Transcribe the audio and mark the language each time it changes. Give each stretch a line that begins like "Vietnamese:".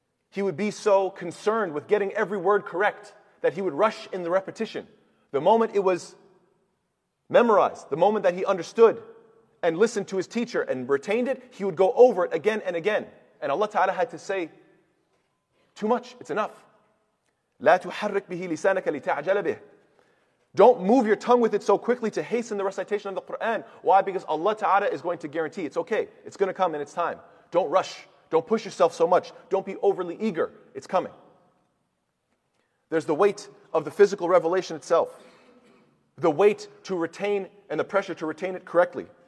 English: He would be so concerned with getting every word correct that he would rush in the repetition. The moment it was memorized, the moment that he understood and listened to his teacher and retained it, he would go over it again and again. And Allah Ta'ala had to say, too much, it's enough.
Arabic: لا تحرك به لسانك لتعجل به.
English: Don't move your tongue with it so quickly to hasten the recitation of the Qur'an. Why? Because Allah Ta'ala is going to guarantee it's okay. It's going to come in its time. Don't rush. Don't push yourself so much. Don't be overly eager. It's coming. There's the weight of the physical revelation itself. The weight to retain and the pressure to retain it correctly.